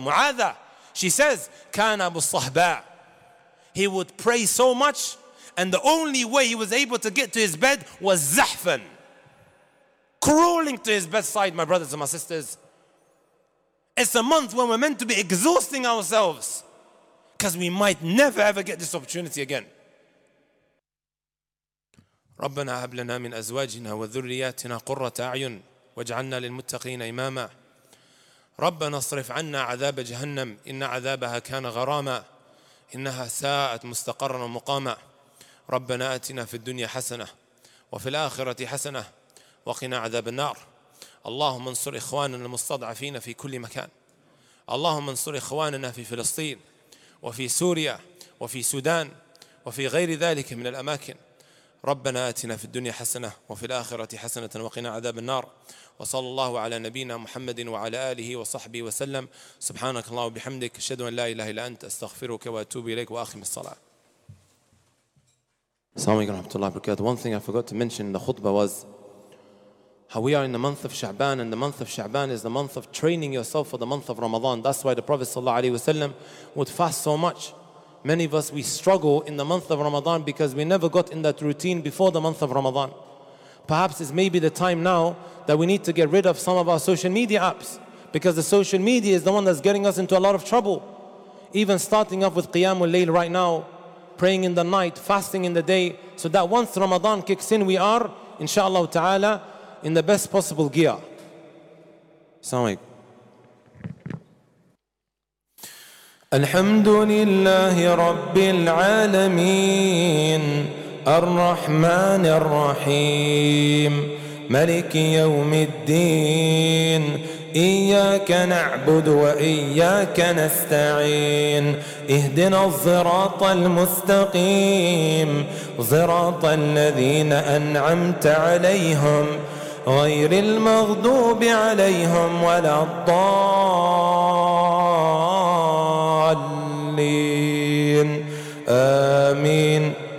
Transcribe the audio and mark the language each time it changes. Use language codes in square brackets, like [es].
[en] Mu'adha, she says, "Kana Abu Sahba. He would pray so much, and the only way he was able to get to his bed was zahfan, crawling to his bedside," my brothers and my sisters. It's a month when we're meant to be exhausting ourselves, because we might never ever get this opportunity again. [ar] ربنا هب لنا من أزواجنا وذرياتنا قرة أعين واجعلنا للمتقين إماما. ربنا اصرف عنا عذاب جهنم إن عذابها كان غراما إنها ساءت مستقرا ومقاما. ربنا آتنا في الدنيا حسنة وفي الآخرة حسنة وقنا عذاب النار. اللهم انصر إخواننا المستضعفين في كل مكان. اللهم انصر إخواننا في فلسطين وفي سوريا وفي السودان وفي غير ذلك من الأماكن. ربنا آتنا في الدنيا حسنة وفي الآخرة حسنة وقنا عذاب النار. وصلى الله على نبينا محمد وعلى آله وصحبه وسلم. سبحانك اللهم وبحمدك، أشهد أن لا إله إلا أنت، أستغفرك وأتوب إليك، وأخم الصلاة. Assalamu alaikum wa rahmatullahi wa barakatuh. [en] One thing I forgot to mention in the khutbah was how we are in the month of Sha'ban, and the month of Sha'ban is the month of training yourself for the month of Ramadan. That's why the Prophet sallallahu alaihi wasallam would fast so much. Many of us, we struggle in the month of Ramadan because we never got in that routine before the month of Ramadan. Perhaps it's maybe the time now that we need to get rid of some of our social media apps, because the social media is the one that's getting us into a lot of trouble. Even starting off with Qiyamul Layl right now, praying in the night, fasting in the day, so that once Ramadan kicks in, we are, inshallah ta'ala, in the best possible gear. [ar] Assalamu alaikum. الحمد لله رب العالمين الرحمن الرحيم ملك يوم الدين إياك نعبد وإياك نستعين اهدنا الصراط المستقيم صراط الذين أنعمت عليهم غير المغضوب عليهم ولا الضالين آمين.